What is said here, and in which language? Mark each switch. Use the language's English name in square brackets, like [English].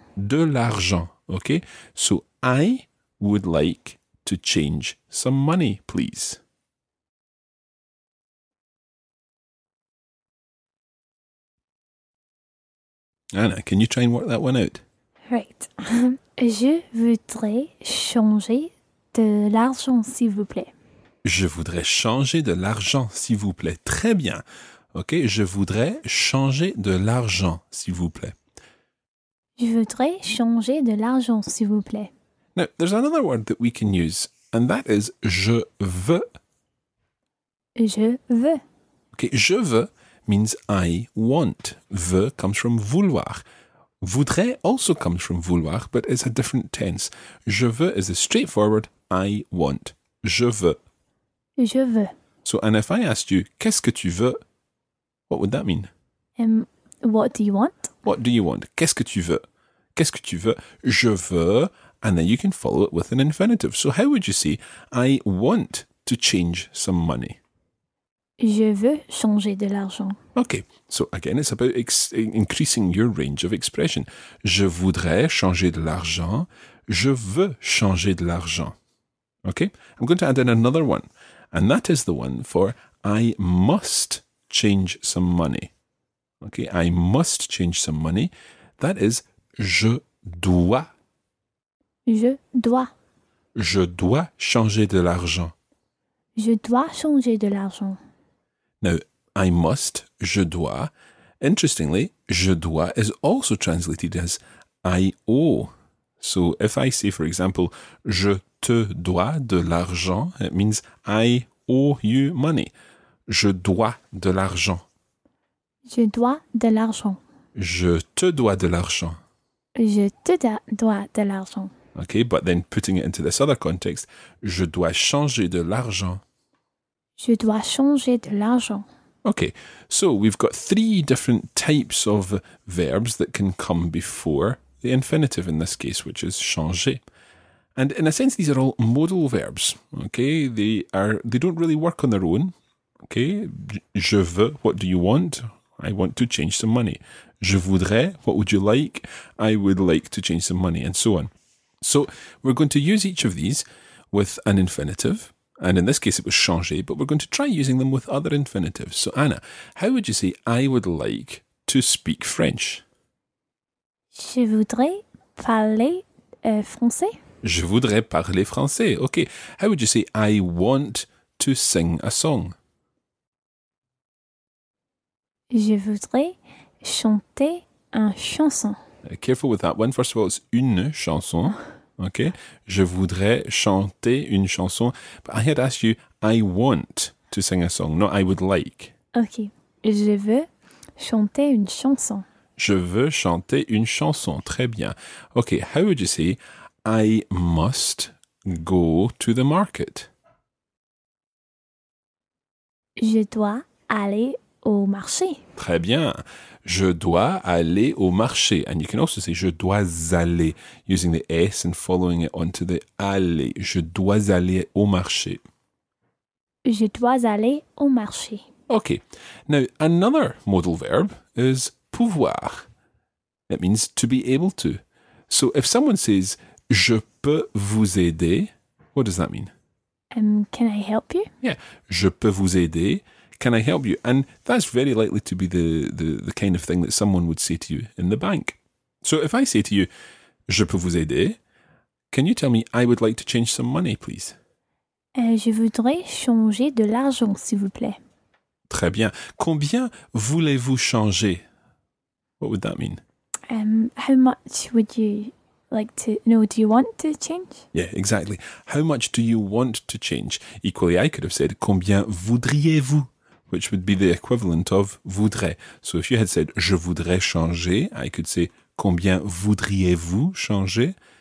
[French] De l'argent, okay? [English] So, I would like to change some money, please. Anna, can you try and work that one out? Right. [French] Je voudrais changer de l'argent, s'il vous plaît. Je voudrais changer de l'argent, s'il vous plaît. Très bien. Ok, je voudrais changer de l'argent, s'il vous plaît. Je voudrais changer de l'argent, s'il vous plaît. [English] Now, there's another word that we can use, and that is [French] je veux. Je veux. [English] Ok, [French] je veux [English] means I want. Veux comes from vouloir. Voudrais also comes from vouloir, but it's a different tense. [French] Je veux [English] is a straightforward I want. Je veux. [French] Je veux. [English] So, and if I asked you, [French] qu'est-ce que tu veux? [English] What would that mean? What do you want? What do you want? [French] Qu'est-ce que tu veux? Qu'est-ce que tu veux? Je veux. [English] And then you can follow it with an infinitive. So how would you say, I want to change some money? [French] Je veux changer de l'argent. [English] Okay, so again, it's about increasing your range of expression. [French] Je voudrais changer de l'argent. Je veux changer de l'argent. [English] Okay, I'm going to add in another one. And that is the one for I must change some money. Okay, I must change some money. That is [French] je dois. Je dois. Je dois changer de l'argent. Je dois changer de l'argent. [English] Now, I must, [French] je dois. [English] Interestingly, [French] je dois [English] is also translated as I owe. So if I say, for example, [French] je te dois de l'argent, [English] it means I owe you money. [French] Je dois de l'argent. Je dois de l'argent. Je te dois de l'argent. Je te dois de l'argent. [English] Okay, but then putting it into this other context, [French] je dois changer de l'argent. Je dois changer de l'argent. [English] Okay, so we've got three different types of verbs that can come before the infinitive in this case, which is changer. And in a sense, these are all modal verbs. Okay, they don't really work on their own. Okay, [French] je veux, [English] what do you want? I want to change some money. [French] Je voudrais, [English] what would you like? I would like to change some money, and so on. So we're going to use each of these with an infinitive, and in this case it was changer, but we're going to try using them with other infinitives. So Anna, how would you say I would like to speak French? [French] Je voudrais parler français. Je voudrais parler français. [English] Okay. How would you say I want to sing a song? [French] Je voudrais chanter une chanson. [English] Careful with that one. First of all, it's une chanson. Okay. [French] Je voudrais chanter une chanson. [English] But I had asked you, I want to sing a song, not I would like. Okay. [French] Je veux chanter une chanson. Je veux chanter une chanson. Très bien. Okay. [English] How would you say, I must go to the market? [French] Je dois aller au marché. Très bien. Je dois aller au marché. [English] And you can also say [French] je dois aller, [English] using the S and following it onto the aller. [French] Je dois aller au marché. Je dois aller au marché. [English] Okay. Now, another modal verb is pouvoir. It means to be able to. So if someone says [French] je peux vous aider, [English] what does that mean? Can I help you? Yeah. [French] Je peux vous aider. [English] Can I help you? And that's very likely to be the kind of thing that someone would say to you in the bank. So if I say to you, [French] je peux vous aider, [English] can you tell me I would like to change some money, please? [French] Je voudrais changer de l'argent, s'il vous plaît. Très bien. Combien voulez-vous changer? [English] What would that mean? How much would you like to know? Do you want to change? Yeah, exactly. How much do you want to change? Equally, I could have said, [French] combien voudriez-vous? [English] Which would be the equivalent of voudrais. So if you had said, [French] je voudrais changer, [English] I could say, [French] combien voudriez-vous changer?